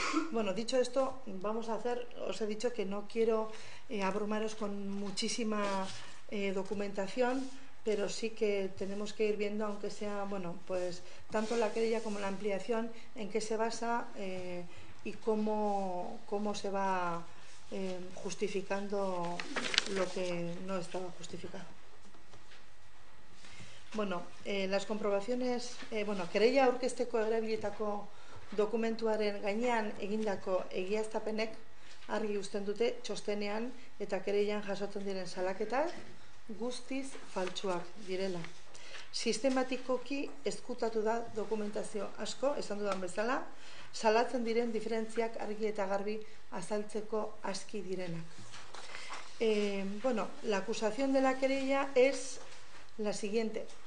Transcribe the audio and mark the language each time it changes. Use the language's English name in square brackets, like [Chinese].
[Spanish] Bueno, dicho esto, os he dicho que no quiero abrumaros con muchísima documentación, pero sí que tenemos que ir viendo, aunque sea, tanto la querella como la ampliación, en qué se basa y cómo se va justificando lo que no estaba justificado. Bueno, las comprobaciones, bueno, [Basque] querella aurkezteko erabilitako dokumentuaren gainean egindako egiaztapenek argi uzten dute txostenean eta kereian jasotzen diren salaketak guztiz faltsuak direla. Sistematikoki ezkutatu da dokumentazio asko, esan dudan bezala, salatzen diren diferentziak argi eta garbi azaltzeko aski direnak. [Spanish] Bueno, la acusación de la querella es la siguiente.